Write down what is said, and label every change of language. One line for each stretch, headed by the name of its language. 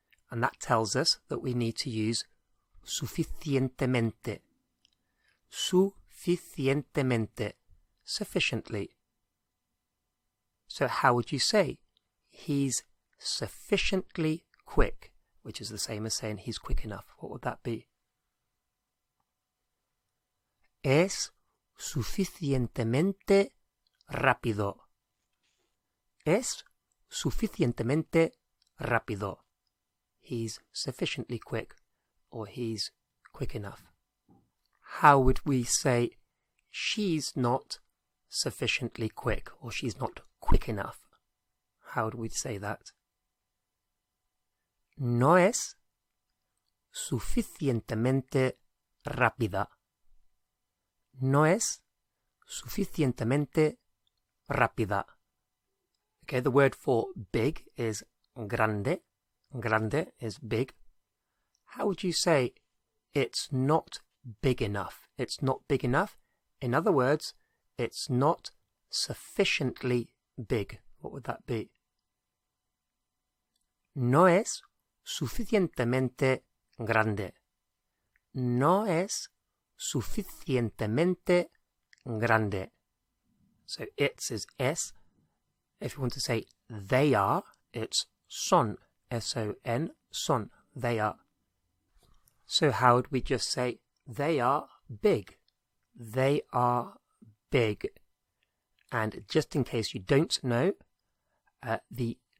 English: And that tells us that we need to use suficientemente. Suficientemente. Sufficiently. So how would you say he's sufficiently quick? Which is the same as saying he's quick enough. What would that be?
Spanish: Es suficientemente rápido. Es suficientemente rápido.
English: He's sufficiently quick, or he's quick enough. How would we say she's not sufficiently quick, or she's not quick enough? How would we say that?
Spanish: No es suficientemente rápida. No es suficientemente rápida.
English: Okay, the word for big is grande. Grande is big. How would you say it's not big enough? It's not big enough. In other words, it's not sufficiently big. What would that be?
Spanish: No es suficientemente grande. No es suficientemente grande.
English: So it's is es. If you want to say they are, it's son. S-O-N, son, they are. So how would we just say they are big? They are big. And just in case you don't know, the